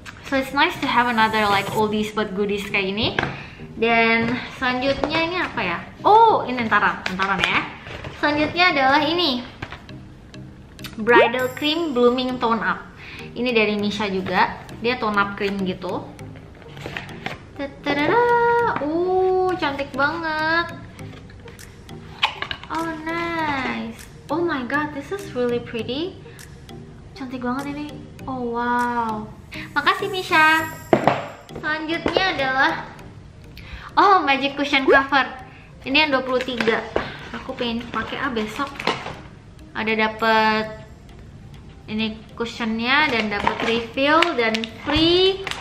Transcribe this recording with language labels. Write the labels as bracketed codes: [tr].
[en] So it's nice to have another like oldies but goodies [id] kayak ini. Dan selanjutnya ini apa ya? Oh, ini entaran ya. Selanjutnya adalah ini Bridal Cream Blooming Tone Up. Ini dari Misha juga. Dia tone up cream gitu. Ta-ta-da-da. Cantik banget. Oh, nice. [en] Oh my god, this is really pretty. [id] Cantik banget ini. Oh, wow. Makasih Misha. Selanjutnya adalah Magic Cushion Cover. Ini yang 23. Aku pengen pakai besok. Ada dapat ini cushionnya dan dapat refill dan free.